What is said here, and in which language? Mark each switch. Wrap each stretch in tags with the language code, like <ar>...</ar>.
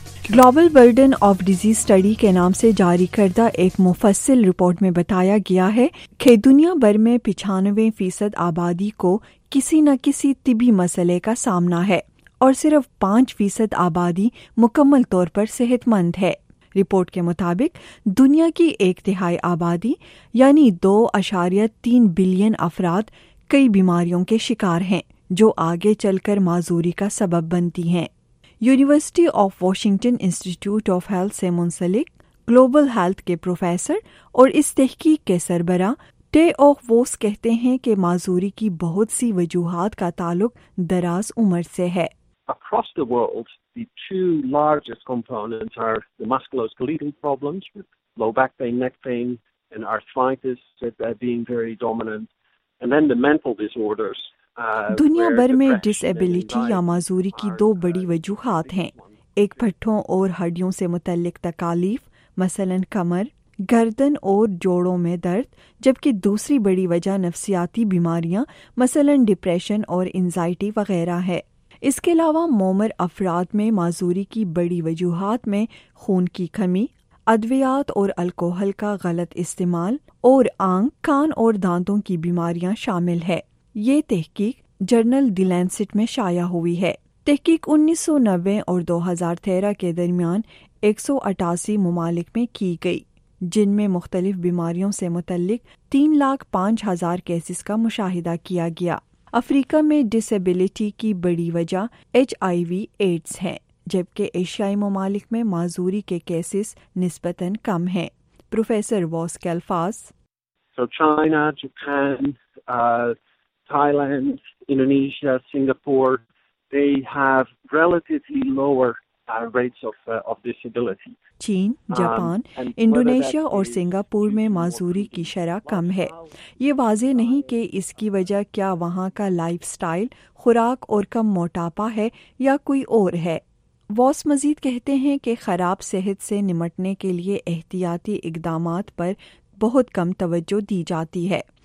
<ur>Global burden of disease study کے نام سے جاری کردہ ایک مفصل رپورٹ میں بتایا گیا ہے کہ دنیا بھر میں 95% آبادی کو کسی نہ کسی طبی مسئلے کا سامنا ہے، اور صرف 5% آبادی مکمل طور پر صحت مند ہے۔ رپورٹ کے مطابق دنیا کی ایک تہائی آبادی یعنی 2.3 بلین افراد کئی بیماریوں کے شکار ہیں، جو آگے چل کر معذوری کا سبب بنتی ہیں۔ University of Washington institute of health سے منسلک گلوبل ہیلتھ کے پروفیسر اور اس تحقیق کے سربراہ ٹے آف ووس کہتے ہیں کہ معذوری کی بہت سی وجوہات کا تعلق دراز عمر سے ہے۔</ur> <en>Across the world, the two largest components are the musculoskeletal problems with low back pain, neck pain and arthritis being very dominant, and then the mental disorders.</en> <ur>دنیا بھر میں ڈس ایبلٹی یا معذوری کی دو بڑی وجوہات ہیں، ایک پٹھوں اور ہڈیوں سے متعلق تکالیف، مثلاً کمر، گردن اور جوڑوں میں درد، جبکہ دوسری بڑی وجہ نفسیاتی بیماریاں، مثلاً ڈپریشن اور انزائٹی وغیرہ ہے۔ اس کے علاوہ مومر افراد میں معذوری کی بڑی وجوہات میں خون کی کمی، ادویات اور الکوہل کا غلط استعمال، اور آنکھ، کان اور دانتوں کی بیماریاں شامل ہے۔ یہ تحقیق جرنل دی لینسٹ میں شائع ہوئی ہے۔ تحقیق 1990 اور 2013 کے درمیان 188 ممالک میں کی گئی، جن میں مختلف بیماریوں سے متعلق 305,000 کیسز کا مشاہدہ کیا گیا۔ افریقہ میں ڈسیبلٹی کی بڑی وجہ HIV/AIDS ہے، جبکہ ایشیائی ممالک میں معذوری کے کیسز نسبتاً کم ہیں۔ پروفیسر واس کے الفاظ،</ur> <en>So China, Japan, Thailand, Indonesia, Singapore, they have relatively lower rates of disability.</en> <ur>Chain, Japan, Indonesia اور سنگاپور میں معذوری کی شرح کم ہے. یہ واضح نہیں کہ اس کی وجہ کیا وہاں کا لائف سٹائل، خوراک اور کم موٹاپا ہے یا کوئی اور ہے. واس مزید کہتے ہیں کہ خراب صحت سے نمٹنے کے لیے احتیاطی اقدامات پر بہت کم توجہ دی جاتی ہے.</ur>